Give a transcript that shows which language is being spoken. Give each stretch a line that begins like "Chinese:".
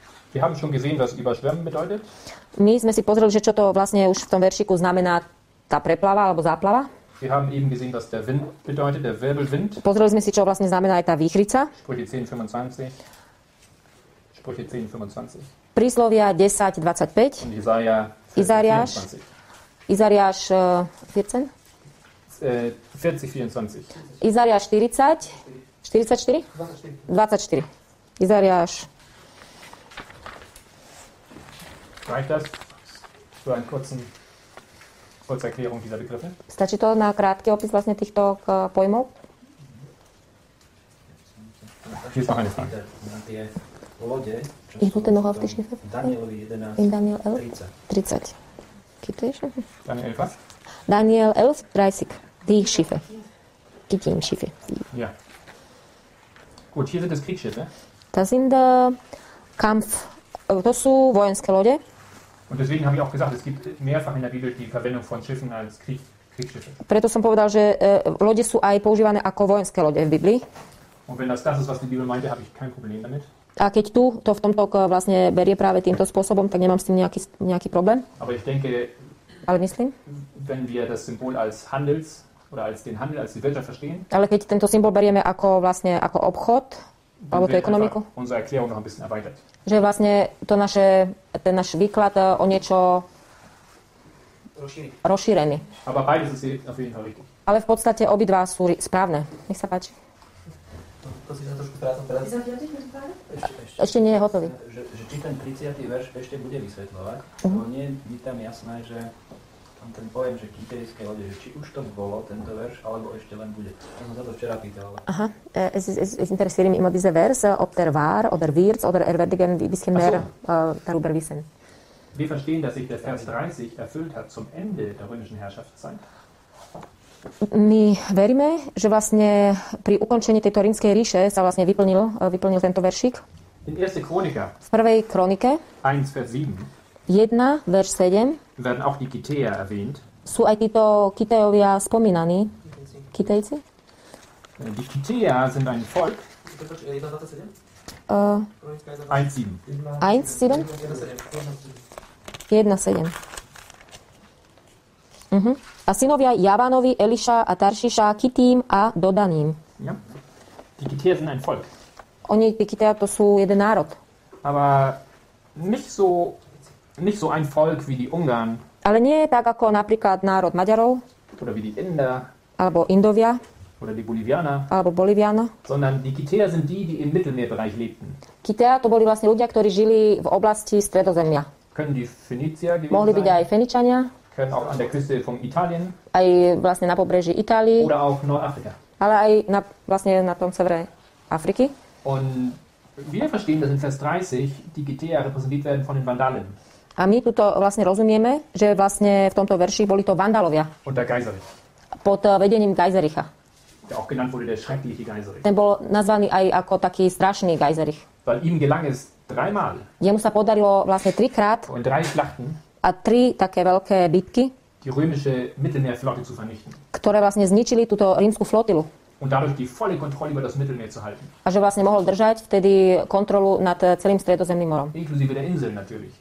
German: Wir haben schon gesehen, was überschwemmen bedeutet.
Slovak: My sme si pozreli, že čo to vlastne už v tom veršiku znamená tá preplava alebo záplava.
German: Wir haben eben gesehen, was der Wind bedeutet, der Wirbelwind.
Slovak: Pozreli sme si, čo vlastne znamená aj tá výchrica.
German: Sprüche 10:25. Sprüche 10:25.
Slovak: Príslovia 10:25. Izaiáš. Izaiáš 14. 40-24. Izaiáš 40? 44? 24. 24. Izaiáš.
German: Reicht das für einen kurze Erklärung dieser Begriffe?
Slovak: Stačí to na krátky opis vlastne týchto pojmov?
German: Hier ist noch eine Frage.
Slovak: Na tie lode, čo sú tam Danielovi 11, Daniel 30. Kýtujš? Daniel 11?
German: Daniel 11, 30. Die Schiffe. Die Team Schiffe. Ja. Gut, hier sind das Kriegsschiffe. Das sind Kampf, das sind
Slovak: vojenské lode.
German: Und deswegen habe ich auch gesagt, es gibt mehrfach in der Bibel die Verwendung von Schiffen als Krieg.
Slovak: Preto som povedal, že lode sú aj používané ako vojenské lode v Biblii.
German: Und wenn das ist, was die Bibel meinte, habe ich kein Problem damit.
Slovak: A keď tu to v tomto vlastne berie práve týmto spôsobom, tak nemám s tým nejaký problém.
German: Aber ich denke,
Slovak: ale myslím,
German: wenn wir das Symbol als Handels oder als den Handel, als die Wirtschaft verstehen.
Slovak: Ale keď tento symbol berieme ako vlastne ako obchod alebo tú ekonomiku.
German: Unsere Erklärung noch ein bisschen erweitert.
Slovak: Že vlastne to naše, ten náš výklad o niečo rozšírený.
German: Aber beides ist auf jeden Fall richtig.
Slovak: Ale v podstate obidva sú správne. Nech sa páči. To si sa trošku trátam teraz. Ty sa vyjadriš, mi to práve? Ešte nie je hotový. Že či ten 30. verš ešte bude vysvetľovať, lebo nie je tam jasné, že tam ten pojem, že kýperické lode, že či už to bolo tento verš, alebo ešte len bude. To som sa to včera pýtal. Ale...
German: Aha, es interessieren immer diese Verse, ob der war, oder wird, oder erwärtigen ein bisschen mehr darüber wissen. Wir verstehen, dass sich der Vers 30 erfüllt hat zum Ende der römischen Herrschaftszeit.
Slovak: My veríme, že vlastne pri ukončení tejto rímskej ríše sa vlastne vyplnil tento veršik.
German: In erste Chronika,
Slovak: v prvej kronike 1, verš 7
German: werden auch die Kitäer erwähnt.
Slovak: Sú aj títo Kitejovia spomínaní. Kitejci?
German: Die Kitäer sind ein Volk. 1, 7. 1, 7.
Slovak: Mhm. A synovia Javanovi, Eliša a Taršiša, Kitým a Dodaným.
German: Ja. Die Kitäer sind ein Volk.
Slovak: Oni, die Kitäer, to sú jeden národ.
German: Aber nicht so ein Volk wie die Ungarn.
Slovak: Ale nie tak ako napríklad národ Maďarov.
German: Oder wie die Inder.
Slovak: Alebo Indovia.
German: Oder die Bolivianer.
Slovak: Alebo Boliviana.
German: Sondern die Kitäer sind die im Mittelmeerbereich lebten.
Slovak: Kitäer, to boli vlastne ľudia, ktorí žili v oblasti Stredozemia.
German: Können die Fenicier gewesen
Slovak: Mohli byť
German: sein?
Slovak: Aj Feničania.
German: Können auch an der Küste von Italien.
Slovak: Aj vlastne na pobreží Itálie.
German: Oder auch Nordafrika.
Slovak: Ale aj na, vlastne na tom severe Afriky.
German: Und wir verstehen, dass in Vers 30 die Kitäer repräsentiert werden von den Vandalen.
Slovak: A my tuto vlastne rozumieme, že vlastne v tomto verši boli to Vandalovia.
German: Und der Kaiserich.
Slovak: Pod vedením Geisericha.
German: Der auch genannt wurde der schreckliche Geiserich.
Slovak: Ten bol nazvaný aj ako taký strašný Geiserich.
German: Weil ihm gelang es dreimal.
Slovak: Jemu sa podarilo vlastne trikrát.
German: Und drei Schlachten.
Slovak: A tri také veľké bitky,
German: die römische Mittelmeerflotte zu vernichten.
Slovak: Ktoré vlastne zničili túto rímsku flotilu.
German: Und dadurch die volle Kontrolle über das Mittelmeer zu halten.
Slovak: A že vlastne mohol držať vtedy kontrolu nad celým Stredozemným morom.
German: Inklusive der Inseln natürlich.